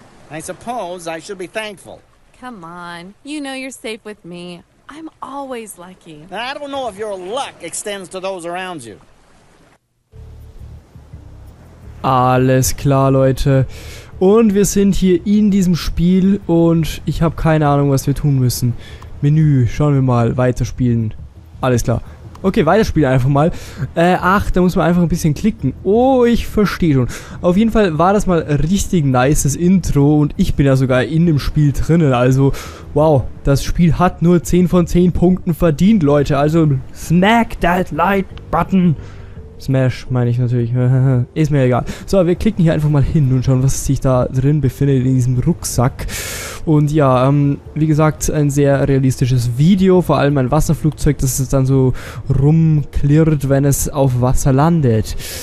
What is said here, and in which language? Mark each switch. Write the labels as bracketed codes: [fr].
[en] I suppose I should be thankful. Come on. You know you're safe with me. I'm always lucky. I don't know if your luck extends to those around you. [de] Alles klar, Leute. Und wir sind hier in diesem Spiel und ich habe keine Ahnung, was wir tun müssen. Menü, schauen wir mal. Weiterspielen. Alles klar. Okay, weiterspielen einfach mal. Ach, da muss man einfach ein bisschen klicken. Oh, ich verstehe schon. Auf jeden Fall war das mal ein richtig nices Intro und ich bin ja sogar in dem Spiel drinnen. Also, wow, das Spiel hat nur 10 von 10 Punkten verdient, Leute. [en] Also, smack that like button. [de] Smash, meine ich natürlich. Ist mir egal. So, wir klicken hier einfach mal hin und schauen, was sich da drin befindet in diesem Rucksack. Und ja, wie gesagt, ein sehr realistisches Video. Vor allem ein Wasserflugzeug, das es dann so rumklirrt, wenn es auf Wasser landet.